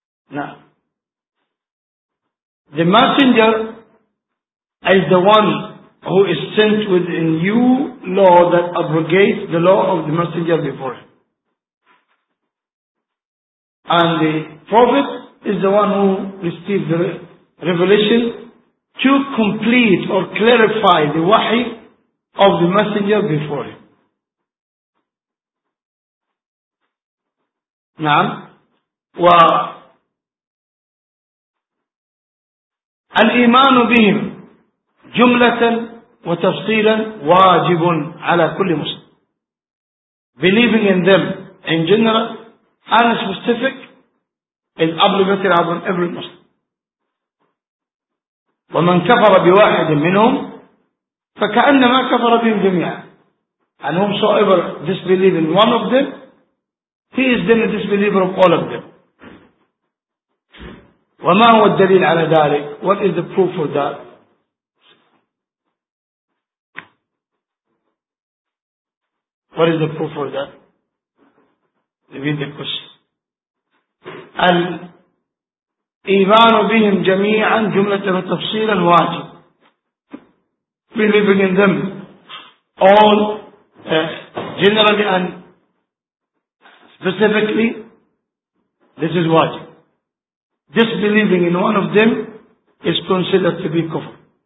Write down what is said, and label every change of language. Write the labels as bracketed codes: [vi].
[en] Now, the messenger is the one who is sent with a new law that abrogates the law of the messenger before him. And the prophet is the one who received the revelation to complete or clarify the wahi of the messenger before him. [ar] نعم و الإيمان بهم جملة وتفصيلا واجب على كل مسلم. [en] Believing in them in general and specific is obligatory upon every Muslim. [ar] ومن كفر بواحد منهم فكأنما كفر بهم جميعا. [en] And whosoever disbelieve in one of them, he is then a disbeliever of all of them. [ar] وما هو الدليل على ذلك? [en] What is the proof for that? What is the proof for that? Read the question. [ar] الإيمان بهم جميعا جملة وتفصيلا واجب. [en] Believing in them all generally and specifically, this is what. Disbelieving in one of them is considered to be kufr.